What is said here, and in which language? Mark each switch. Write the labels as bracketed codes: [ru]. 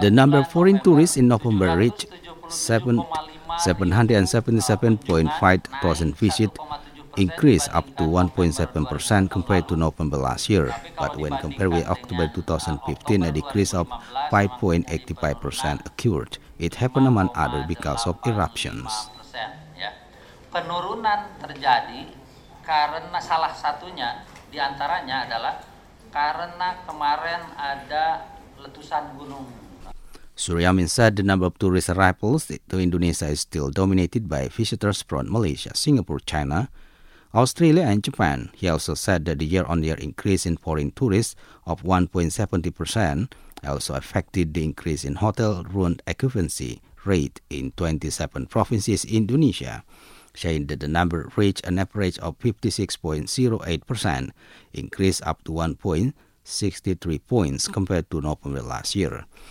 [en] the number of foreign tourists in November reached 777,500 visit, increase up to 1.7% compared to November last year, but when compared with October 2015, a decrease of 5.85% occurred. It happened among other because of eruptions. [id] Penurunan terjadi karena salah satunya di antaranya adalah karena kemarin ada letusan gunung. [en] Suryamin said the number of tourist arrivals to Indonesia is still dominated by visitors from Malaysia, Singapore, China, Australia and Japan. He also said that the year-on-year increase in foreign tourists of 1.70% also affected the increase in hotel room occupancy rate in 27 provinces in Indonesia, saying that the number reached an average of 56.08%, increased up to 1.63 points compared to November last year.